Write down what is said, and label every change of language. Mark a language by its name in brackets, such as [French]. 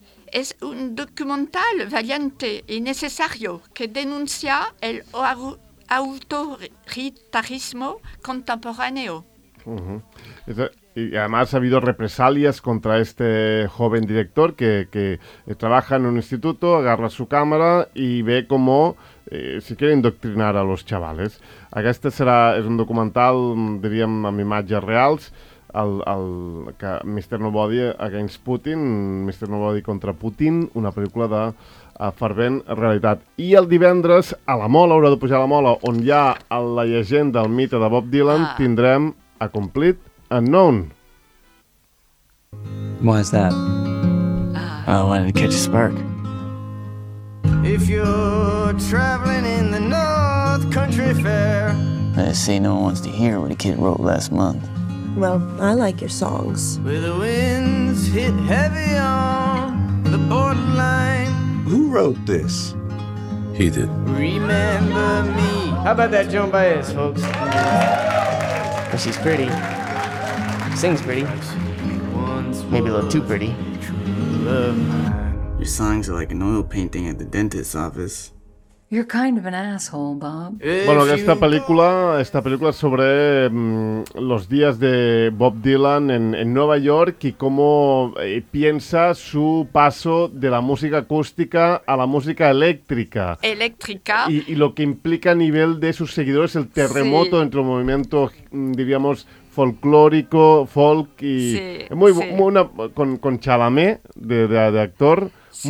[Spanish] Es un documental valiente y necesario que denuncia el autoritarismo contemporáneo. Uh-huh. Y además ha habido represalias contra este joven director que trabaja en un instituto, agarra su cámara y ve cómo se quiere indoctrinar a los chavales. Este será, es un documental, [Catalan] diríem, amb imatges reals, el que Mr. Nobody against Putin, Mr. Nobody contra Putin, una pel·lícula de fervent realitat. I el divendres, a la Mola, haurà de pujar a la Mola, on hi ha la llegenda, el mite de Bob Dylan, tindrem A Complete Unknown. [English] Why is that? I wanted to catch a spark. If you're traveling in the North Country Fair, I say no one wants to hear what a kid wrote last month. Well, I like your songs. Where the winds hit heavy on the borderline. Who wrote this? He did. Remember me. How about that Joan Baez, folks? She's pretty. Sings pretty. Maybe a little too pretty. Your songs are like an oil painting at the dentist's office. You're kind of an asshole, Bob. [Spanish] Bueno, esta película es sobre los días de Bob Dylan en Nueva York y cómo piensa su paso de la música acústica a la música eléctrica. Eléctrica. Y lo que implica a nivel de sus seguidores el terremoto entre un movimiento, diríamos, folclórico, folk y con Chalamet de actor. Sí.